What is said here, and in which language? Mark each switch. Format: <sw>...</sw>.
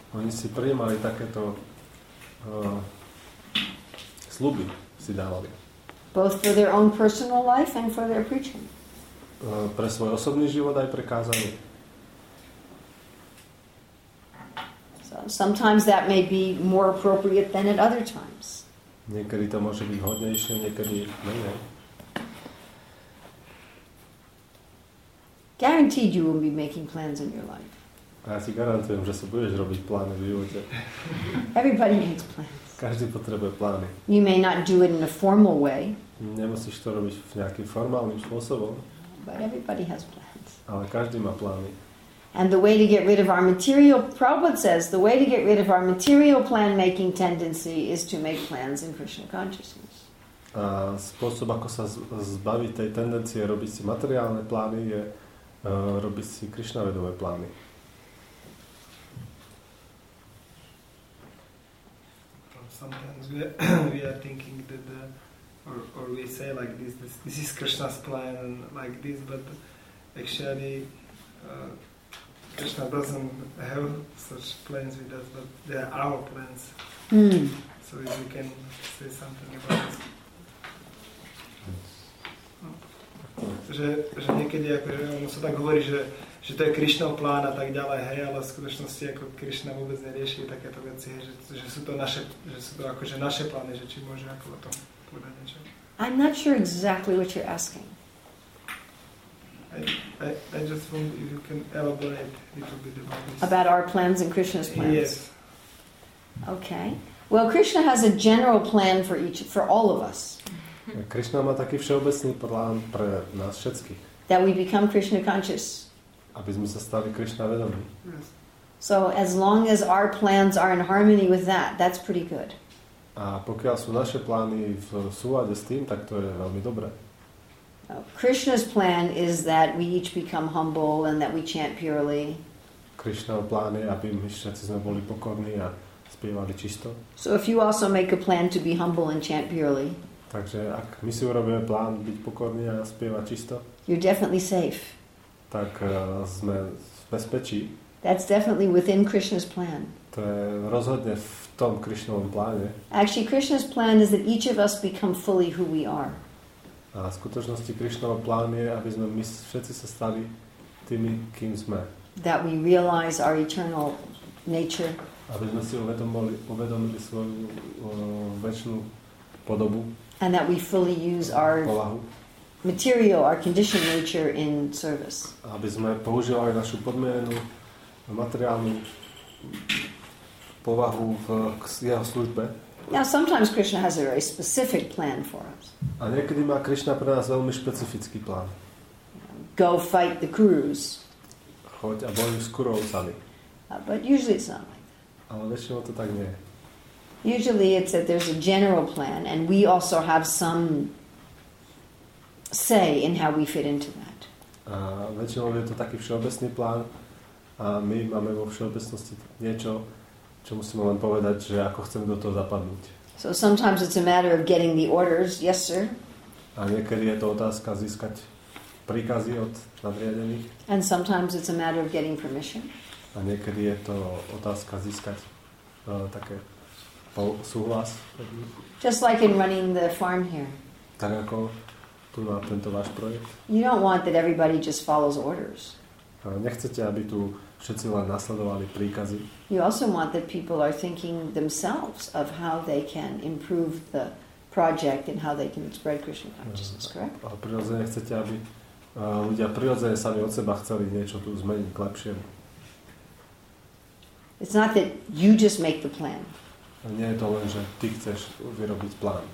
<sk>Oni si prijímali takéto sľuby si dávali.</sk> <en>Both for their own personal life and for their preaching.</en> <sk>Pre svoj osobný život aj pre kázanie.</sk> <en>So sometimes that may be more appropriate than at other times.</en> <sk>Niekedy to môže byť hodnejšie, niekedy menej.</sk> <en>Guaranteed you will be making plans in your life.</en> <sk>A ja si garantujem, že sa budeš robiť plány v živote.</sk> <en>Everybody needs plans.</en> <sk>Každý potrebuje plány.</sk> <en>You may not do it in a formal way.</en> <sk>Nemusíš to robiť v nejakým formálnym spôsobom.</sk> <en>But everybody has plans.</en> <sk>Ale každý má plány.</sk> <en>And the way to get rid of our material, Prabhupada says, the way to get rid of our material plan-making tendency is to make plans in Krishna consciousness.</en> <sk>A spôsob, ako sa zbaviť tej tendencie robiť si materiálne plány, je robiť si krišnavedové plány.</sk> <en>Sometimes we are thinking that or we say like this is Krishna's plan and like this, but actually Krishna doesn't have such plans with us, but they are our plans. So if you can say something about this.</en> <sk>Že niekedy akože ono sa tak hovorí, že to je Krišnov plán a tak ďalej, hej, ale v skutočnosti ako Krišna vôbec nerieši takéto veci, že sú to akože naše plány, že či môže ako o tom povedať niečo.</sk> <en>I'm not sure exactly what you're asking. I just wonder if you can elaborate a little bit about this. About our plans and Krishna's plans. Yes. Okay. Well, Krishna has a general plan for all of us.</en> <sk>Krishna má taký všeobecný plán pre nás všetkých.</sk> <en>That we become Krishna conscious.</en> <sk>Aby sme sa stali Krishna vedomí.</sk> <en>Yes. So as long as our plans are in harmony with that, that's pretty good.</en> <sk>A pokiaľ sú naše plány v súlade s tým, tak to je veľmi dobré.</sk> <en>Krishna's plan is that we each become humble and that we chant purely.</en> <sk>Krishnov plán je, aby my všetci sme boli pokorní a spievali čisto.</sk> <en>So if you also make a plan to be humble and chant purely.</en> <sk>Takže ak my si urobíme plán byť pokorní a spievať čisto.</sk> <en>You're definitely safe.</en> <sk>Tak sme v bezpečí.</sk> <en>That's definitely within Krishna's plan.</en> <sk>To je rozhodne v tom Krishnovom pláne.</sk> <en>Actually, Krishna's plan is that each of us become fully who we are.</en> <sk>A v skutočnosti Krishnovom plán je, aby sme my všetci sa stali tými, kým sme.</sk> <en>That we realize our eternal nature.</en> <sk>Aby sme si uvedomili svoju večnú podobu.</sk> <en>And that we fully use our</en> <sk>povahu.</sk> <en>Material, our conditioned nature in service.</en> <sk>Aby sme používali našu podmienenú materiálnu povahu v jeho službe.</sk> <en>Now sometimes Krishna has a very specific plan for us.</en> <sk>A niekedy má Krishna pre nás veľmi špecifický plán.</sk> <en>Go fight the Kurus.</en> <sk>Choď a bojuj s Kurovcami.</sk> <en>But usually it's not like that.</en> <sk>Ale väčšinou to tak nie.</sk> <en>Usually it's that there's a general plan and we also have some say in how we fit into that.</en> <sk>A väčšinou je to taký všeobecný plán a my máme vo všeobecnosti niečo, čo musíme len povedať, že ako chceme do toho zapadnúť.</sk> <en>So sometimes it's a matter of getting the orders, yes sir.</en> <sk>A niekedy je to otázka získať príkazy od nadriadených.</sk> <en>And sometimes it's a matter of getting permission.</en> <sk>A niekedy je to otázka získať také súhlas.</sk> <en>Just like in running the farm here.</en> <sk>Tak ako tu na tento váš projekt.</sk> <en>You don't want that everybody just follows orders.</en> <sk>Nechcete, aby tu všetci len nasledovali príkazy.</sk> <en>You also want that people are thinking themselves of how they can improve the project and how they can spread Krishna consciousness, correct?</en> <sk>A prirodzene chcete, aby ľudia prirodzene sami od seba chceli niečo tu zmeniť k lepšiemu.</sk> <en>It's not that you just make the plan.</en> <sk>Nie je to len, že ty chceš vyrobiť plán.</sk>